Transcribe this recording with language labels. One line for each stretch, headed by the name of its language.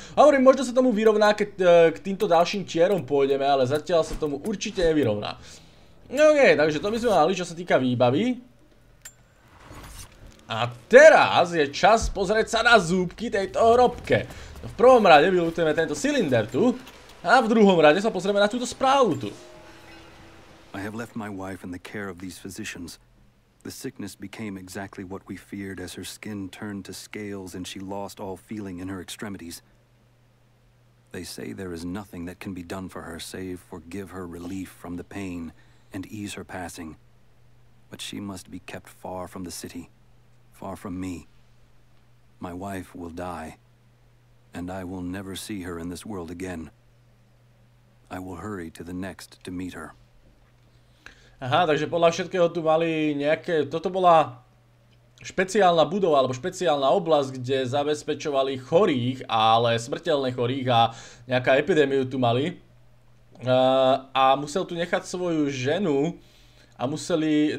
Slovak: Hovorím, možno sa tomu vyrovná, keď k týmto ďalším tierom pôjdeme, ale zatiaľ sa tomu určite nevyrovná. No okej, okay, takže to by sme mali, čo sa týka výbavy. A teraz je čas pozrieť sa na zúbky tejto hrobke. No, v prvom rade vylutujeme tento cylinder tu. A v druhom rade sa pozrieme na túto správu tu.
English: I have left my wife in the care of these physicians. The sickness became exactly what we feared as her skin turned to scales and she lost all feeling in her extremities. They say there is nothing that can be done for her save for give her relief from the pain and ease her passing. But she must be kept far from the city, far from me. My wife will die, and I will never see her in this world again. I will hurry to the next to meet her.
Slovak: Aha, takže podľa všetkého tu mali nejaké... Toto bola špeciálna budova, alebo špeciálna oblasť, kde zabezpečovali chorých, ale smrteľne chorých a nejaká epidémiu tu mali. A musel tu nechať svoju ženu a museli...